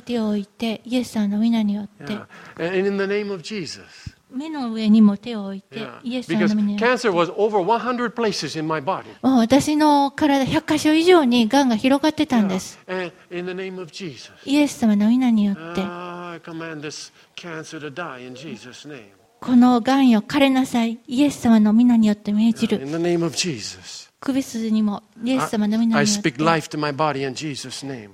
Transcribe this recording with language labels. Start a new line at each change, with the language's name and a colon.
Japanese: 手を置いて、イエス様の御名によって。
English: And in the name of Jesus.
Japanese: 目の上にも手を置いて、イエス様の目に。
English: Cancer was over 100 places in my body.
Japanese: 私の体100箇所以上にがんが広がってたんです。
English: In the name of Jesus.
Japanese: イエス様の名によって。
English: I command this cancer to die in Jesus' name.
Japanese: このがんよ枯れなさい、イエス様の御名によって命じる。首筋にもイエス様の御名によって命じる。